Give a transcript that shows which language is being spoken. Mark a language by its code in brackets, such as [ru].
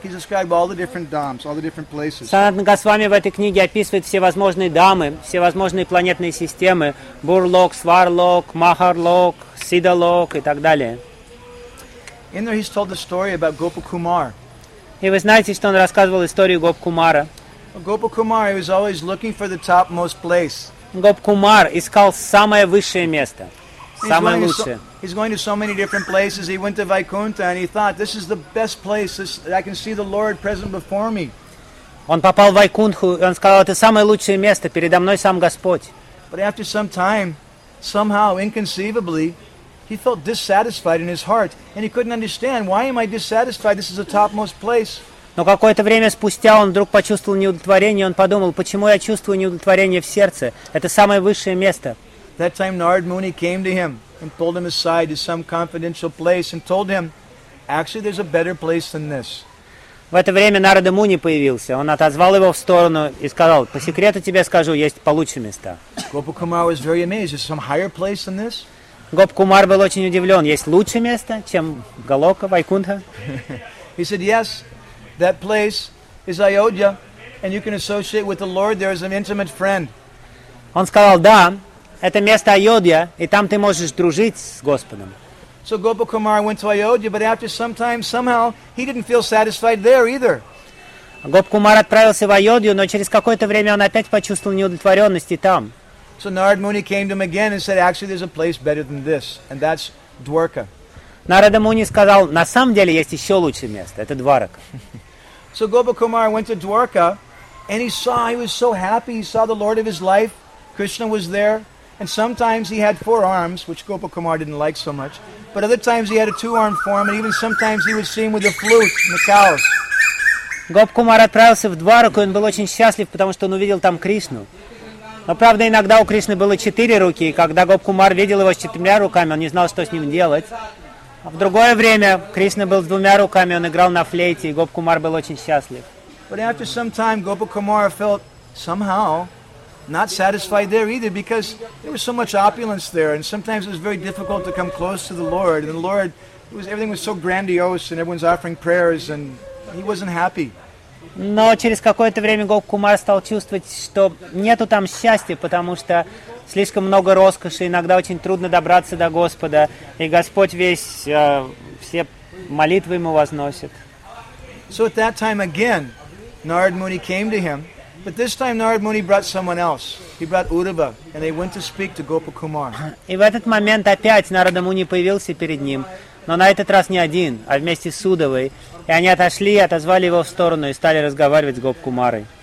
[en] He's described all the different dhams, all the different places. [ru] Sanatan Goswami в этой книге описывает все возможные дамы, все возможные планетные системы: Бурлок, Сварлок, Махарлок, Сидалок и так далее. [en] In there, he's told the story about Gopakumar. [ru] И вы знаете, что он рассказывал историю Гопакумара. [en] Gopa Kumar, he was always looking for the topmost place. [ru] Gоп Кумар искал самое высшее место, самое лучшее. [en] He's going to so many different places. He went to Vaikuntha and he thought, this is the best place. I can see the Lord present before me. [ru] Он попал в Вайкунтху, и он сказал, это самое лучшее место, передо мной сам Господь. [en] But after some time, somehow, inconceivably, he felt dissatisfied in his heart, and he couldn't understand, why am I dissatisfied? This is the topmost place. [ru] Но какое-то время спустя он вдруг почувствовал неудовлетворение, и он подумал, почему я чувствую неудовлетворение в сердце? Это самое высшее место. [en] That time Narad Muni came to him and pulled him aside to some confidential place and told him, actually, there's a better place than this. [ru] В это время Нарада Муни появился. Он отозвал его в сторону и сказал, по секрету тебе скажу, есть получше места. [en] Gopa Kumar was very amazed. Is there some higher place than this? [ru] Gopa Kumar был очень удивлен. Есть лучшее место, чем Голока, Вайкунтха? [en] He said, yes, that place is Ayodhya, and you can associate with the Lord. There is an intimate friend. [ru] Он сказал, да, это место Айодья, и там ты можешь дружить с Господом. [en] So Gopa Kumar went to Ayodhya, but after some time, somehow, he didn't feel satisfied there either. [ru] Gopa Kumar отправился в Айодью, но через какое-то время он опять почувствовал неудовлетворенность и там. [en] So Narad Muni came to him again and said, actually, there's a place better than this, and that's Dwarka. [ru] Narada Muni сказал, на самом деле есть еще лучшее место, это Дварака. [en] So Gopa Kumar went to Dwarka, and he saw, he was so happy, he saw the Lord of his life, Krishna was there. And sometimes he had four arms, which Gopa Kumar didn't like so much. But other times he had a two-armed form, and even sometimes he would sing with a flute in the cows. [ru] Gopa Kumar отправился в Двараку, и он был очень счастлив, потому что он увидел там Кришну. Но правда, иногда у Кришны было четыре руки, и когда Gopa Kumar видел его с четырьмя руками, он не знал, что с ним делать. А в другое время Кришна был с двумя руками, он играл на флейте, и Gopa Kumar был очень счастлив. [en] But after some time, Gopa Kumar felt somehow not satisfied there either, because there was so much opulence there, and sometimes it was very difficult to come close to the Lord. And the Lord, it was, everything was so grandiose, and everyone's offering prayers, and he wasn't happy. [ru] Но через какое-то время Gopa Kumar стал чувствовать, что нету там счастья, потому что слишком много роскоши, иногда очень трудно добраться до Господа, и Господь весь все молитвы ему возносит. [en] So at that time again, Narad Muni came to him. But this time Narad Muni brought someone else. He brought Uddhava, and they went to speak to Gopa Kumar. [ru] И в этот момент опять Нарада Муни появился перед ним, но на этот раз не один, а вместе с Уддхавой. И они отошли, отозвали его в сторону и стали разговаривать с Гоп Кумарой.